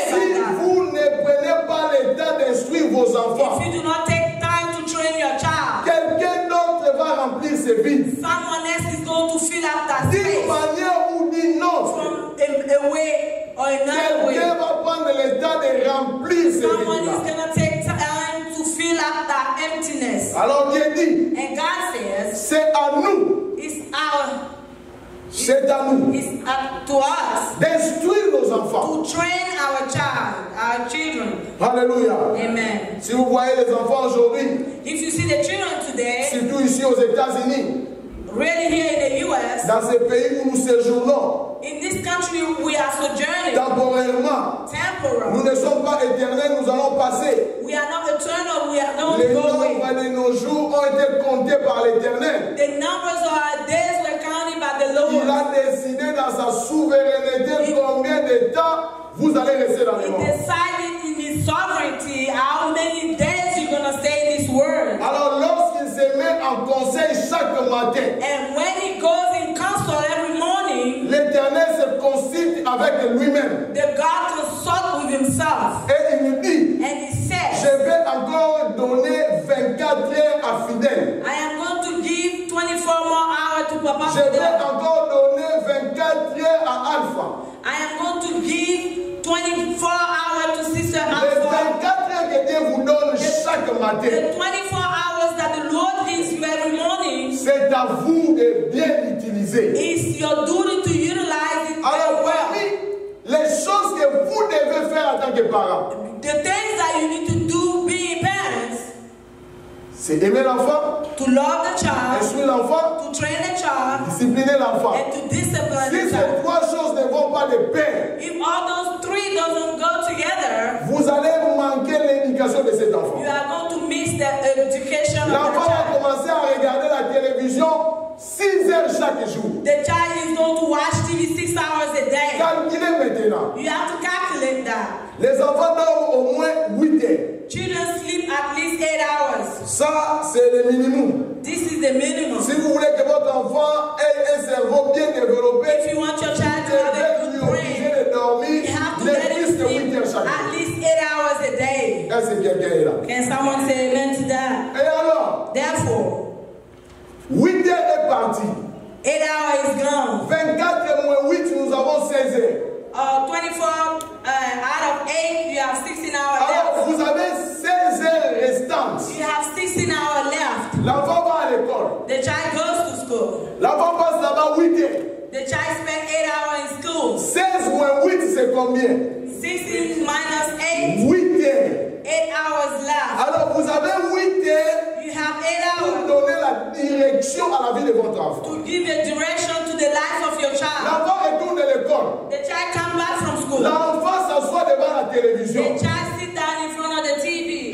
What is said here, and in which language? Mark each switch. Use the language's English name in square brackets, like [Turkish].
[French] Si vous ne prenez pas le temps d'instruire vos enfants, [English] if you do not take time to train your child, [French] quelqu'un d'autre va remplir ses vides. [English] Someone else is going to fill up that space. [French] D'une manière ou d'une autre. [English] From a way or another way. [French] Quelqu'un va prendre le temps de remplir ses vides. [English] Someone is going to take time to fill up that emptiness. [French] Alors Dieu dit. [English] And God says, [French] c'est à nous. [English] It's our. [French] C'est à nous. [English] It's up to us. [French] D'instruire nos enfants. [English] To train our child, our children. Hallelujah. Amen. [French] Si vous voyez les enfants aujourd'hui, [English] if you see the children today, [French] surtout ici aux États-Unis, [English] really here in the U.S., [French] dans ces pays où nous séjournons, [English] in this country we are sojourning, [French] temporairement, [English] temporal, [French] nous ne sommes pas éternels, nous allons passer. [English] We are not eternal, we are not going. [French] Les nombres de nos jours ont été comptés par l'Éternel. [English] The numbers of our days. [French] Il a décidé dans sa souveraineté combien de temps vous allez rester dans le monde. [English] He decided in his sovereignty how many days you're gonna stay in this world. [French] Alors lorsqu'il se met en conseil chaque matin, [English] and when he goes in council every morning, [French] l'Éternel se consulte avec lui-même. [English] The God consults with himself. [French] Et il nous dit, [English] and he says, [French] je vais encore donner 24 heures à Fidèle. [English] I am going to give 24 more. [French] Je vais encore donner 24 heures à Alpha. [English] I am going to give 24 hours to Sister Alpha. [French] Les 24 heures que Dieu vous donne chaque matin. [English] The 24 hours that the Lord gives you every morning. [French] C'est à vous de bien utiliser. [English] It's your duty to utilize it. [French] Alors, [English] well. [French] Parmi les choses que vous devez faire en tant que parent, [English] the things that you need to do being parents. [French] C'est aimer l'enfant. [English] To love the child. [French] Instruire l'enfant. [English] To train the child. [French] Discipliner l'enfant. [English] And to discipline the child. [French] Si ces trois choses ne vont pas de pair, [English] if all those three doesn't go together, [French] vous allez manquer l'éducation de cet enfant. [English] You are going to miss the education of the child. [French] L'enfant va commencer à regarder la télévision 6 heures chaque jour. [English] The child is going to watch TV 6 hours a day. [French] Calculez maintenant. [English] You have to calculate that. [French] Les enfants dorment au moins 8 heures. [English] Children sleep at least 8 hours. [French] Ça, c'est le minimum. [English] This is the minimum. [French] Si vous voulez que votre enfant ait un cerveau bien développé, [English] if you want your child to have a good brain, you have to let him sleep at least 8 hours a day. [French] Est-ce que quelqu'un est là? [English] Can someone say amen to that? [French] Et alors? [English] Therefore, [French] 8 heures est parti. [English] 8 hours is gone. [French] 24 moins 8, nous avons 16 heures. [English] 24 out of 8, you have 16 hours left. [French] Alors, vous avez 16 heures restantes. [English] You have 16 hours left. [French] L'enfant va à l'école. [English] The child goes to school. [French] L'enfant passe là-bas 8 heures. [English] The child spent 8 hours in school. [French] 16 moins 8, c'est combien? [English] 16 minus 8. [French] 8 heures. [English] 8 hours left. [French] Alors, vous avez 8 heures. [English] You have 8 hours. [French] Pour donner la direction à la vie de votre enfant. [English] To give a direction to the life of your child. [French] L'enfant retourne à l'école. [English] The child comes back from school. [French] L'enfant s'assoit devant la télévision. [English] The child sits down in front of the TV.